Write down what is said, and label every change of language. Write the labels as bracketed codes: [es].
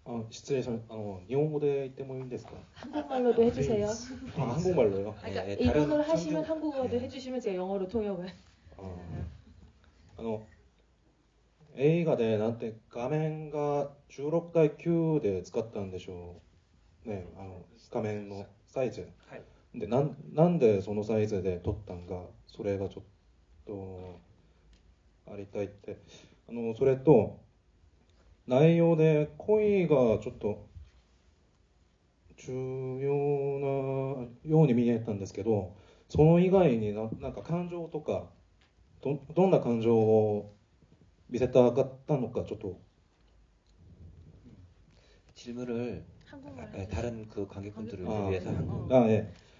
[ja] 失礼します。日本語で言ってもいいんですか? [ko] 한국말로도 해주세요. 아, 한국말로요? 그러니까 네, 일본어를 하시면 한국어도 네. 해주시면 제가 영어로 통역을. [ja] 映画でなんて画面が16対9で使ったんでしょう、ね、あの画面のサイズ、はい、でなんでそのサイズで撮ったんか、それがちょっとありたいって、あのそれと内容で恋がちょっと重要なように見えたんですけど、その以外に なんか感情とか どんな感情を見せたかったのか、ちょっと [ko] 질문을다른그관객분들을위해서